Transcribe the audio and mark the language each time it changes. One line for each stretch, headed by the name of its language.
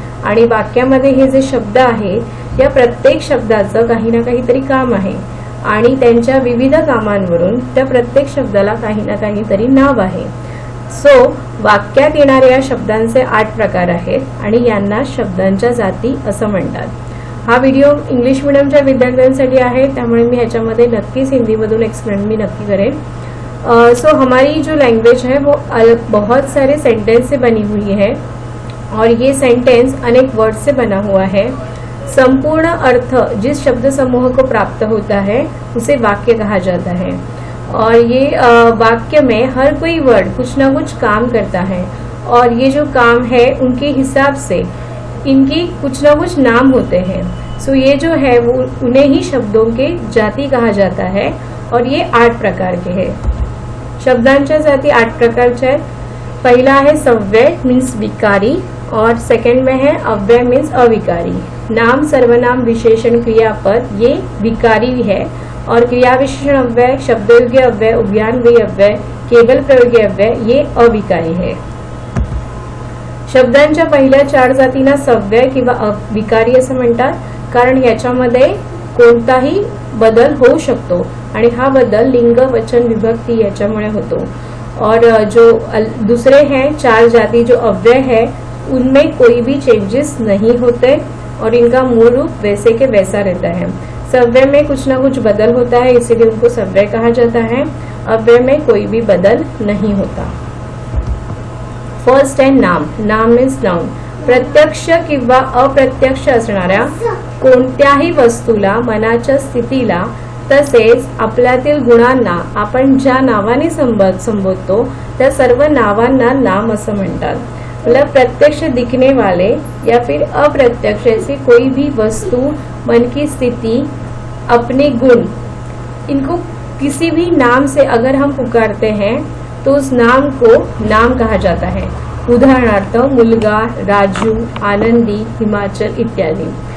Marathi: आणि वाक्यामध्ये हे जे शब्द आहे, या प्रत्येक शब्दाचं काही ना काहीतरी काम आहे, आणि त्यांच्या विविध कामांवरून त्या प्रत्येक शब्दाला काही ना काहीतरी नाव आहे। सो वाक्यात येणाऱ्या शब्दांचे 8 प्रकार आहेत, आणि यांना शब्दांच्या जाती असं म्हणतात। हा व्हिडिओ इंग्लिश मीडियमच्या विद्यार्थ्यांसाठी आहे, त्यामुळे मी ह्याच्यामध्ये नक्कीच हिंदीमधून एक्सप्लेन मी नक्की करेन।
Hindi: सो हमारी जो लँग्वेज है वो बहुत सारे सेंटेन्स से बनी हुई है, और ये सेंटेन्स अनेक वर्ड से बना हुआ है। संपूर्ण अर्थ जिस शब्द समूह को प्राप्त होता है उसे वाक्य कहा जाता है, और ये वाक्य में हर कोई वर्ड कुछ ना कुछ काम करता है, और ये जो काम है उनके हिसाब से इनकी कुछ ना कुछ नाम होते हैं। सो ये जो है वो उन्हें ही शब्दों के जाति कहा जाता है, और ये 8 प्रकार के है।
Marathi: शब्दांच्या जाती 8 प्रकार चे।
Hindi: पहला है सव्यय मीन्स विकारी, और सेकेंड में है अव्यय मीन्स अविकारी। नाम, सर्वनाम, विशेषण, क्रियापद ये विकारी है, और क्रिया विशेषण अव्यय, शब्दयोग्य अव्यय, उभयान्वयी अव्यय, केवल प्रयोग्य अव्यय ये अविकारी है।
Marathi: शब्दांच्या पहिल्या 4 जातींना सव्यय किंवा अविकारी असं म्हणतात, कारण याच्यामध्ये कोणताही बदल होऊ शकतो, आणि हा बदल लिंग, वचन, विभक्ती याच्यामुळे होतो।
Hindi: और जो दुसरे है 4 जाती जो अव्यय है उनमें कोई भी चेंजेस नहीं होते, और इनका मूल रूप वैसे के वैसा रहता है। सव्यय में कुछ ना कुछ बदल होता है, इसीलिए उनको सव्यय कहा जाता है। अव्यय में कोई भी बदल नहीं होता। फर्स्ट है नाम। नाम मीन्स नाउन।
Marathi: प्रत्यक्ष किंवा अप्रत्यक्ष असणाऱ्या कोणत्याही वस्तूला, मनाच्या स्थितीला, तसेच आपल्यातील गुणांना आपण ज्या नावाने संबोधतो त्या सर्व नावांना नाम असं म्हणतात।
Hindi: मतलब प्रत्यक्ष दिखने वाले या फिर अप्रत्यक्ष ऐसी कोई भी वस्तु, मन की स्थिति, अपने गुण, इनको किसी भी नाम से अगर हम पुकारते हैं तो उस नाम को नाम कहा जाता है।
Marathi: उदाहरणार्थ, मुलगा, राजू, आनंदी, हिमाचल इत्यादि।